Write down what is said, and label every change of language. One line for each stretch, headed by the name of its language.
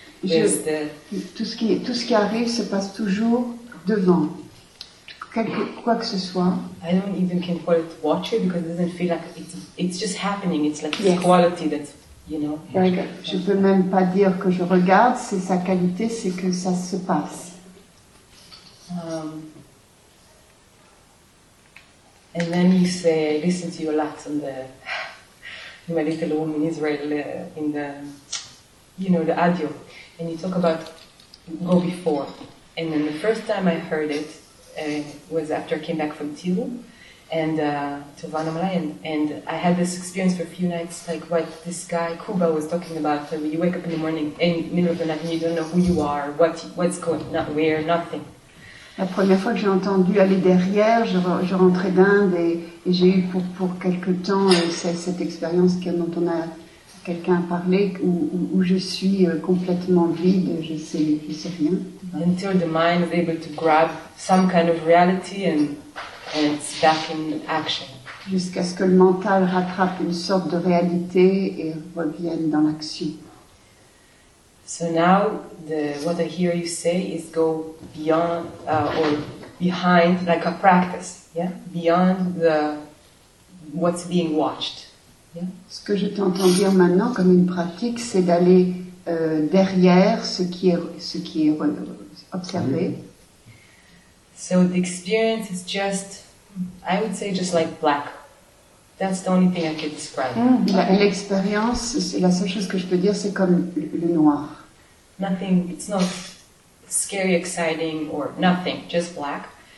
French: Tout ce qui arrive se passe toujours devant. Quoi que ce soit.
English: I don't even can call it watcher because it doesn't feel like it's just happening. It's like this quality that's, you know. Very good.
French: Je peux même pas dire que je regarde, c'est sa qualité, c'est que ça se passe.
English: And then you say, I listen to you a lot on my little room in Israel, in the, you know, the audio. And you talk about go before. And then the first time I heard it was after I came back from Tilu and to Vanamalai. And I had this experience for a few nights, like what this guy, Kuba, was talking about. So you wake up in the morning, in the middle of the night, and you don't know who you are, what's going, not where, nothing.
French: La première fois que j'ai entendu aller derrière, je rentrais d'Inde et j'ai eu pour quelques temps cette expérience dont on a quelqu'un a parlé, où je suis complètement vide, je sais rien.
English: Until the mind is able to grab some kind of reality and it's back in action.
French: Jusqu'à ce que le mental rattrape une sorte de réalité et revienne dans l'action.
English: So now, what I hear you say is go beyond or behind, like a practice, yeah, beyond what's being watched. Yeah.
French: Ce que je t'entends dire maintenant comme une pratique, c'est d'aller derrière ce qui est observé.
English: So the experience is just, I would say, just like black. That's the only thing I could describe.
French: L'expérience, la seule chose que je peux dire, c'est comme le noir.
English: Nothing, it's not scary, exciting, or nothing, just black.